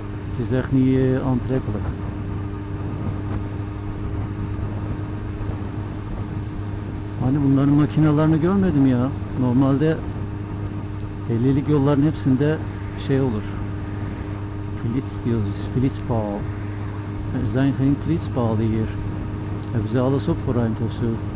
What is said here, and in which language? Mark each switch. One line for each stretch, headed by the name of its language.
Dutch: Het is echt niet aantrekkelijk.
Turkish: Hani bunların makinalarını görmedim ya. Normalde 50'lik yolların hepsinde şey olur. Flitz diyoruz biz. Flitzpaal.
Dutch: Zijn geen Flitzpaal hier. Hebben ze alles opgeruimd of zo.